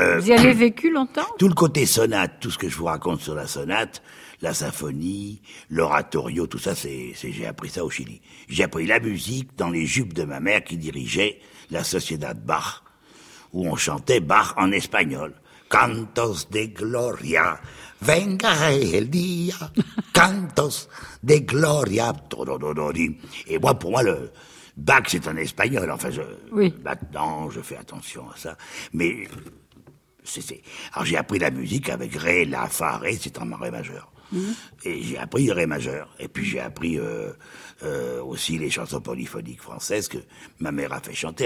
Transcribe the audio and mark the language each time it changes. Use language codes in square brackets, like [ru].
[fr] Vous y avez vécu longtemps? Tout le côté sonate, tout ce que je vous raconte sur la sonate, la symphonie, l'oratorio, tout ça, c'est j'ai appris ça au Chili. J'ai appris la musique dans les jupes de ma mère qui dirigeait la Sociedad Bach, où on chantait Bach en espagnol. [es] Cantos de gloria, venga el día, cantos de gloria. [fr] Et moi, pour moi, le Bach, c'est en espagnol. Enfin, maintenant, je fais attention à ça. Mais c'est. Alors, j'ai appris la musique avec ré, la, fa, ré, c'est en ré majeur. Et j'ai appris ré majeur. Et puis j'ai appris aussi les chansons polyphoniques françaises que ma mère a fait chanter.